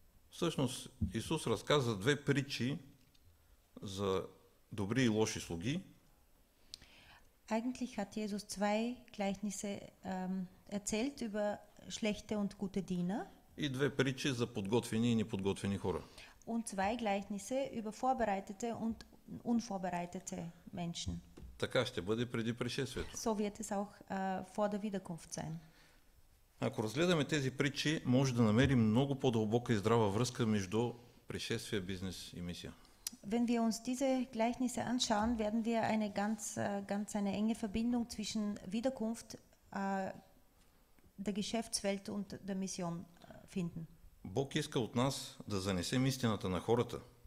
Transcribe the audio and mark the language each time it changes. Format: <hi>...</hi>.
<bg>Всъщност, Исус разказа две притчи за добри и лоши слуги.</bg> <de>Eigentlich hat Jesus zwei Gleichnisse erzählt über schlechte und gute Diener.</de> <bg>И две притчи за подготвени и неподготвени хора.</bg> <de>Und zwei Gleichnisse über vorbereitete und unvorbereitete Menschen.</de> <bg>Така ще бъде преди пришествието.</bg> <de>So wird es auch vor der Wiederkunft sein.</de> <bg>Ако разгледаме тези притчи, може да намерим много по-дълбока и здрава връзка между пришествие, бизнес и мисия.</bg> <de>Wenn wir uns diese Gleichnisse anschauen, werden wir eine ganz eine enge Verbindung zwischen Wiederkunft, der Geschäftswelt und der Mission finden.</de> <bg>Бог иска от нас да занесем истината на хората.</bg>